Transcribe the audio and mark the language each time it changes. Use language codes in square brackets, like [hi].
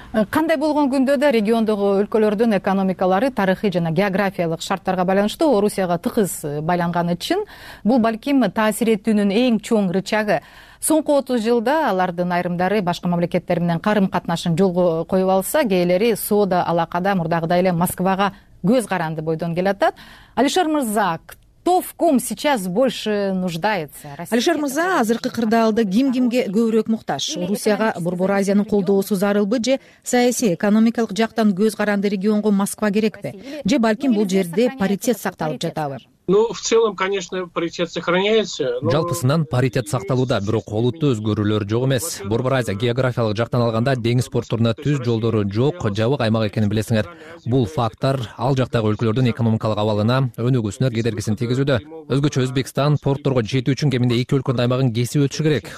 [ky] Кандай болгон күндө да региондогу өлкөлөрдүн экономикалары тарыхый жана географиялык шарттарга байланыштуу Орусияга тыгыз байланганы чын. Бул балким таасир этүүнүн эң чоң рычагы. Соңку 30 жылда алардын айрымдары башка мамлекеттер менен карым катнашын жолго коюп алса, кээлери соода алакада мурдагыдай эле Москвага көз каранды бойдон келатат. Алишер мырза, [ru] кто в ком сейчас больше нуждается? [ky] Алишер мырза, азыркы кырдаалда ким-кимге көбүрөөк муктаж? Орусияга Борбор Азиянын колдоосу зарылбы же саясий экономикалык жактан көз каранды регионго Москва керекпи? Же балким бул жерде паритет сакталып жатабы? [ru] Ну, в целом, конечно, паритет сохраняется. [ky] Жалпысынан паритет сакталууда, бирок олуттуу өзгөрүүлөр жок эмес. Борбор Азия географиялык жактан алганда деңиз портторуна түз жолдору жок, жабык аймак экенин билесиңер. Бул фактор ал жактагы өлкөлөрдүн экономикалык абалына, өнүгүүсүнө кедергисин тийгизүүдө. Өзгөчө Өзбекстан портторго жетүү үчүн кеминде 2 өлкөнүн аймагын кесип өтүшү керек.